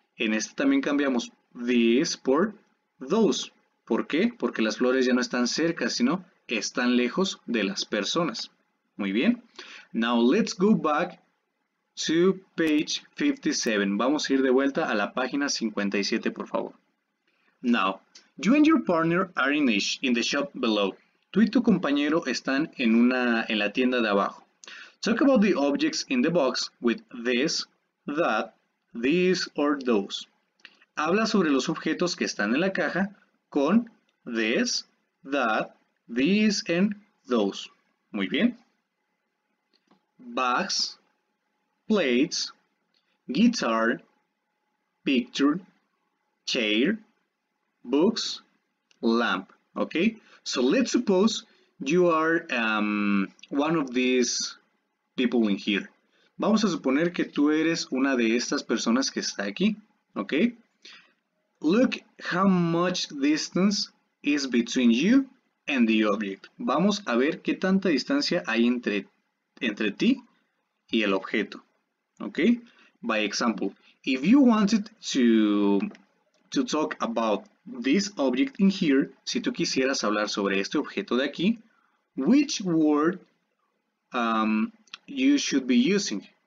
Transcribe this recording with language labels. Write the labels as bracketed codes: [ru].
[es] En este también cambiamos this por those. ¿Por qué? Porque las flores ya no están cerca, sino están lejos de las personas. Muy bien. [en] Now let's go back to page 57. [es] Vamos a ir de vuelta a la página 57, por favor. [en] Now, you and your partner are in the shop below. [es] Tú y tu compañero están en la tienda de abajo. [en] Talk about the objects in the box with this, that, these, or those. [es] Habla sobre los objetos que están en la caja con this, that, these, and those. Muy bien. [en] Bags, plates, guitar, picture, chair, books, lamp. Okay? So let's suppose you are one of these people in here. [es] Vamos a suponer que tú eres una de estas personas que está aquí, ¿ok? [en] Look how much distance is between you and the object. [es] Vamos a ver qué tanta distancia hay entre ti y el objeto, ¿ok? [en] By example, if you wanted to talk about this object in here, [es] si tú quisieras hablar sobre este objeto de aquí, [en] which word you should be using.